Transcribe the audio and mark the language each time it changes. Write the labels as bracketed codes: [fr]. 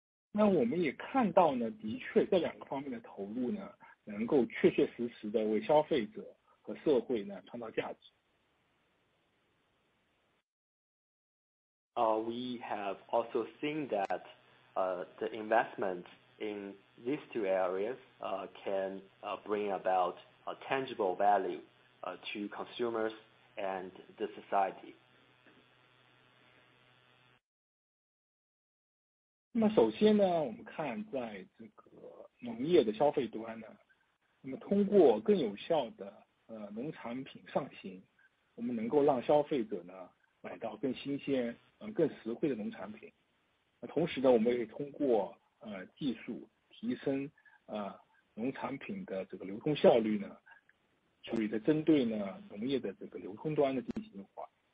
[zh] 那我们也看到呢，的确这两个方面的投入呢，能够确确实实的为消费者和社会呢创造价值。 [en] We have also seen that the investment in these two areas can bring about a tangible value to consumers and the society. [zh] 那么首先呢，我们看在这个农业的消费端呢，那么通过更有效的农产品上行，我们能够让消费者呢买到更新鲜。更实惠的农产品。同时呢，我们也通过技术提升农产品的这个流通效率呢，处理的针对呢农业的这个流通端的进行优化。